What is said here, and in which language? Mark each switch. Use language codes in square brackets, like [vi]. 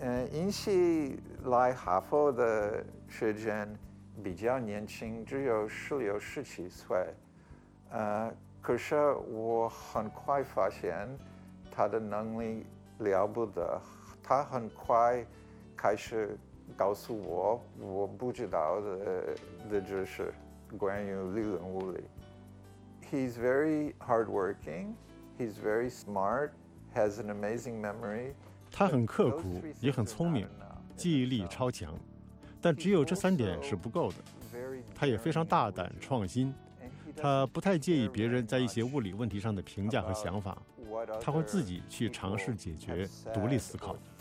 [zh] 尹锡来哈佛的时间比较年轻，只有16、17岁，可是我很快发现他的能力了不得，他很快开始告诉我我不知道 的知识，关于理论物理。 [en] He's very hardworking, he's very smart, has an amazing memory. [zh] 他很刻苦，也很聪明，记忆力超强，但只有这三点是不够的。他也非常大胆创新，他不太介意别人在一些物理问题上的评价和想法，他会自己去尝试解决，独立思考。